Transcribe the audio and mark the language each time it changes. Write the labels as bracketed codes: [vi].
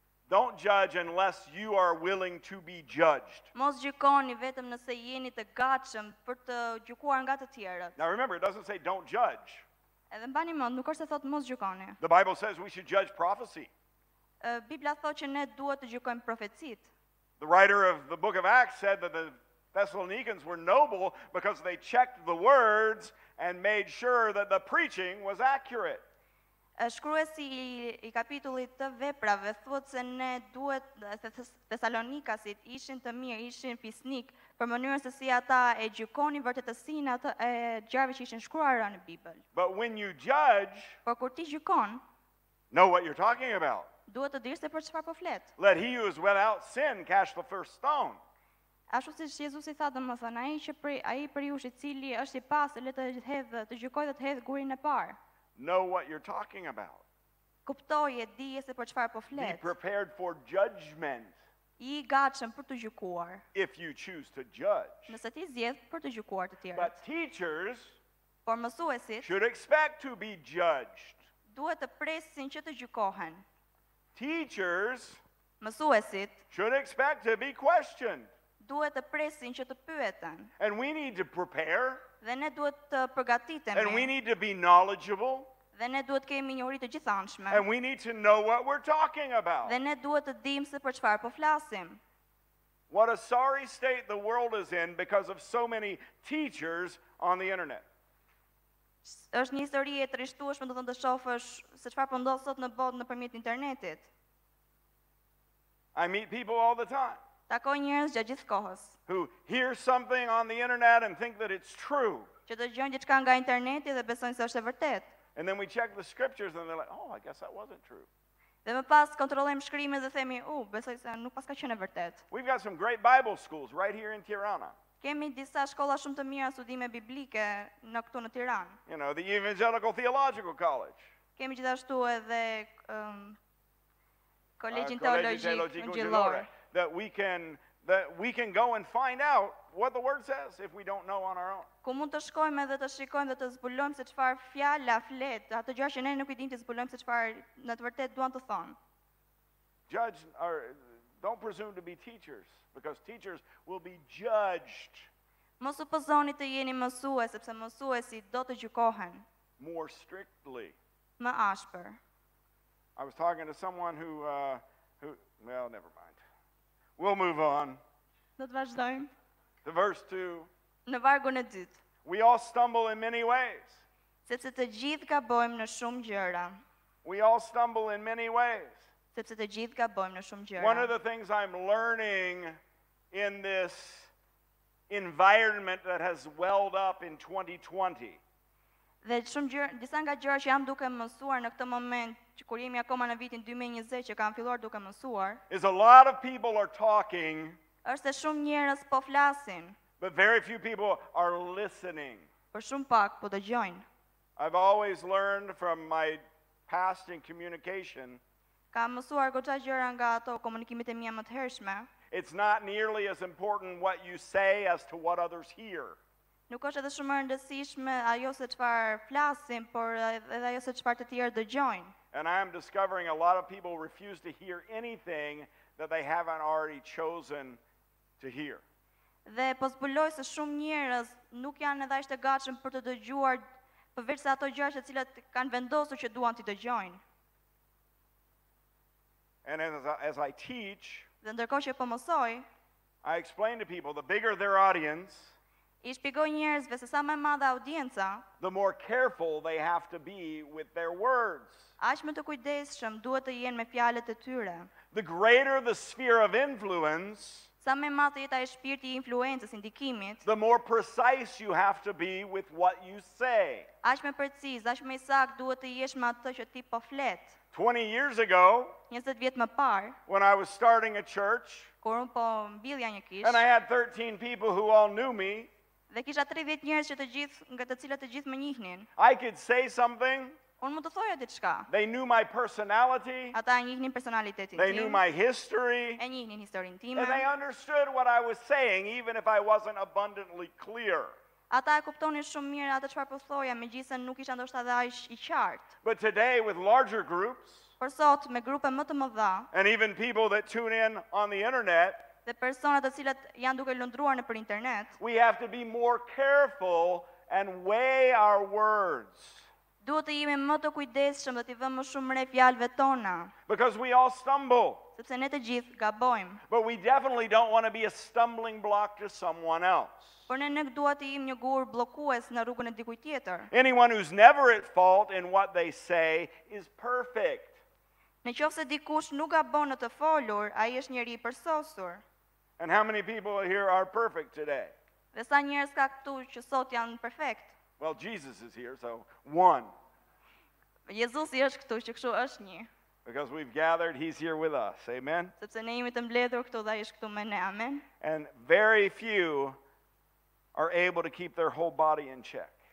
[en] Don't judge unless you are willing to be judged. [sq] Mos gjykoni vetëm nëse jeni të gatshëm për të gjykuar nga të tjerët. [en] Now remember, it doesn't say don't judge. [sq] Edhe mbani mend, nuk është se thot mos gjykoni. [en] The Bible says we should judge prophecy. [sq] Biblia thot që ne duhet të gjykojmë profecitë. [en] The writer of the book of Acts said that the Thessalonians were noble because they checked the words and made sure that the preaching was accurate. [sq] Shkruesi I kapitullit të veprave thot se ne duhet Thessalonikasit ishin të mirë, ishin pisnik për mënyrën se si ata e gjykonin vërtetësinë atë e gjërave që ishin shkruar në Bibël. [en] But when you judge, [sq] por kur ti gjykon, [en] know what you're talking about. [sq] Duhet të dish se për çfarë po flet. [en] Let he who is without sin cast the first stone. [sq] Ashtu siç Jezusi tha, domethënë ai për ju i cili është i pastë, le të hedhë, të gjykojë dhe të hedhë gurin e parë. [en] Know what you're talking about. [sq] Kuptoje, di se për çfarë po flet. [en] Be prepared for judgment. [sq] I gatshëm për të gjykuar. [en] If you choose to judge. [sq] Nëse ti zgjedh për të gjykuar të tjerët. [en] But teachers, [sq] por mësuesit, [en] should expect to be judged. [sq] Duhet të presin që të gjykohen. [en] Teachers, [sq] mësuesit, [en] should expect to be questioned. [sq] Duhet të presin që të pyeten. [en] And we need to prepare. [sq] Dhe ne duhet të përgatitemi. [en] And we need to be knowledgeable. [sq] Dhe ne duhet kemi njohuri të gjithanshme. [en] And we need to know what we're talking about. [sq] Dhe ne duhet të dim se për çfarë po flasim. [en] What a sorry state the world is in because of so many teachers on the internet. [sq] Është një histori e trishtueshme do të shohësh se çfarë po ndodh sot në botë nëpërmjet internetit. [en] I meet people all the time. [sq] Takoj njerëz gjatë gjithë kohës. [en] Who hear something on the internet and think that it's true. [sq] Që dëgjojnë diçka nga interneti dhe besojnë se është e vërtetë. [en] And then we check the scriptures and they're like, "Oh, I guess that wasn't true." [sq] Dhe më pas kontrollojmë shkrimet dhe themi, "Oh, besoj se nuk paska qenë e vërtetë." [en] We've got some great Bible schools right here in Tirana. [sq] Kemi disa shkolla shumë të mira studime biblike në këtu në Tiranë. [en] You know, the Evangelical Theological College. [sq] Kemi gjithashtu edhe Kolegjin Teologjik Gjillore. [en] That we can go and find out what the word says if we don't know on our own. [sq] Ku mund të shkojmë edhe të shikojmë dhe të zbulojmë se çfarë fjala flet, ato gjëra që ne nuk i dimë të zbulojmë se çfarë në të vërtetë duan të thonë. [en] Judge or don't presume to be teachers because teachers will be judged. [sq] Mos supozoni të jeni mësues sepse mësuesit do të gjykohen. [en] More strictly. [sq] Më ashpër. [en] I was talking to someone who never mind. We'll move on. [sq] Do të vazhdojmë. [en] The verse 2. [sq] Në vargun e dytë. [en] We all stumble in many ways. [sq] Sepse të gjithë gabojmë në shumë gjëra. [en] We all stumble in many ways. [sq] sepse të gjithë gabojmë në shumë gjëra. [en] One of the things I'm learning in this environment that has welled up in 2020. [sq] Dhe shumë gjëra, disa nga gjërat që jam duke mësuar në këtë moment, që kur jemi akoma në vitin 2020 që kam filluar duke mësuar, [en] is a lot of people are talking. [sq] Është shumë njerëz po flasin. [en] But very few people are listening. [sq] Por shumë pak po dëgjojnë. [en] I've always learned from my past in communication. [sq] Kam mësuar goxha gjëra nga ato komunikimet e mia më të hershme. [en] It's not nearly as important what you say as to what others hear. [sq] Nuk është edhe shumë e rëndësishme ajo se çfarë flasim, por edhe ajo se çfarë të tjerë dëgjojnë. [en] And I am discovering a lot of people refuse to hear anything that they haven't already chosen to hear. [sq] Dhe po zbuloj se shumë njerëz nuk janë edhe as të gatshëm për të dëgjuar përveç se ato gjëra që cilat kanë vendosur që duan të dëgjojnë. [en] And as I teach, [sq] dhe ndërkohë që po mësoj, [en] I explain to people the bigger their audience, [sq] I shpjegoj njerëzve se sa më e madhe audienca, [en] the more careful they have to be with their words. [sq] Aq më të kujdesshëm duhet të jenë me fjalët e tyre. [en] The greater the sphere of influence, [sq] sa më madhe jeta e shpirtit të influencës, ndikimit, [en] the more precise you have to be with what you say. [sq] Aq më preciz, aq më sakt duhet të jesh me atë që ti po flet. [en] 20 years ago, [sq] 20 vjet më parë, [en] when I was starting a church, [sq] kur un po mbillja një kishë, [en] and I had 13 people who all knew me, [sq] dhe kisha 30 njerëz që të gjithë, nga të cilët të gjithë më njihnin, [en] I could say something. [sq] Unë mund të thoja diçka. [en] They knew my personality. [sq] Ata e njihnin personalitetin tim. [en] They knew my history. [sq] E njihnin historinë time. [en] And they understood what I was saying, even if I wasn't abundantly clear. [sq] Ata e kuptonin shumë mirë atë çfarë po thoja, megjithëse nuk isha ndoshta edhe aq I qartë. [en] But today with larger groups, [sq] por sot me grupe më të mëdha, [en] and even people that tune in on the internet, [sq] dhe personat të cilët janë duke lundruar nëpër internet, [en] we have to be more careful and weigh our words. [sq] Duhet të jemi më të kujdesshëm dhe të vëmë më shumë re fjalëve tona. [en] Because we all stumble. [sq] Sepse ne të gjithë gabojmë. [en] But we definitely don't want to be a stumbling block to someone else. [sq] Por ne nuk duhet të jemi një gur bllokues në rrugën e dikujt tjetër. [en] Anyone who's never at fault in what they say is perfect. [sq] Nëse dikush nuk gabon në të folur, ai është njeri I përsosur. [en] And how many people here are perfect today? [sq] Dhe sa njerëz ka këtu që sot janë perfekt? [en] Well, Jesus is here, so one. [sq] Jezusi është këtu, që kështu është një. [en] Because we've gathered, he's here with us. Amen. [sq] Sepse ne jemi të mbledhur këtu dhe ai është këtu me ne. [en] Amen. And very few are able to keep their whole body in check.